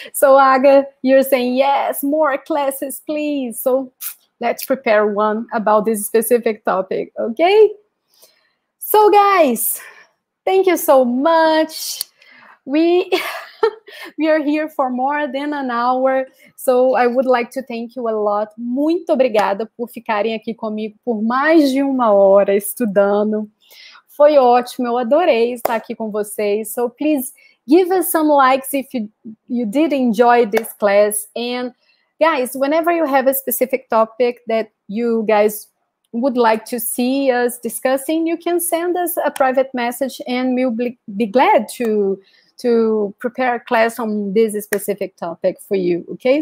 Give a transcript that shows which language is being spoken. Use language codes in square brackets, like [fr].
[en] So Aga, you're saying, yes, more classes, please. So let's prepare one about this specific topic, okay? So guys, thank you so much. We are here for more than an hour, so I would like to thank you a lot. [pt] Muito obrigada por ficarem aqui comigo por mais de uma hora estudando. Foi ótimo, eu adorei estar aqui com vocês. [en] So please give us some likes if you did enjoy this class. And guys, whenever you have a specific topic that you guys would like to see us discussing, you can send us a private message and we'll be glad to prepare a class on this specific topic for you, okay?